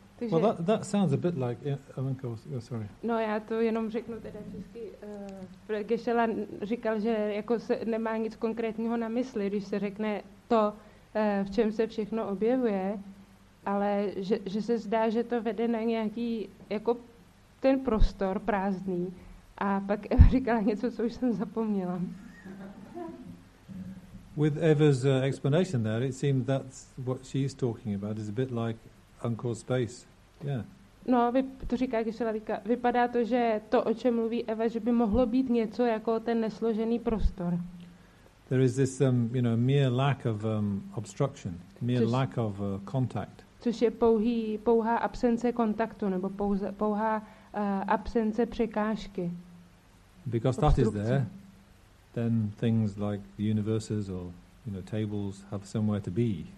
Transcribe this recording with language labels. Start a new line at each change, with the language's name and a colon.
English: Well, that sounds a bit like Alenko, sorry.
Czech: No, já to jenom řeknu teda česky. Geshe-la říkal, že jako se nemá nic konkrétního na mysli, když se řekne to, v čem se všechno objevuje, ale že se zdá, že to vede na nějaký jako ten prostor prázdný. A pak Eva říkala něco, co už jsem zapomněla.
English: With Eva's explanation there, it seems that's what she's talking about is a bit like uncaused space. Yeah.
Czech: No, to říká Geshe-la, vypadá to, že to, o čem mluví Eva, že by mohlo být něco jako ten nesložený prostor.
English: There is this mere lack of obstruction, mere lack of contact.
Czech: Což je pouhá absence kontaktu nebo pouhá absence překážky.
English: Because that is there, then things like the universes or tables have somewhere to be.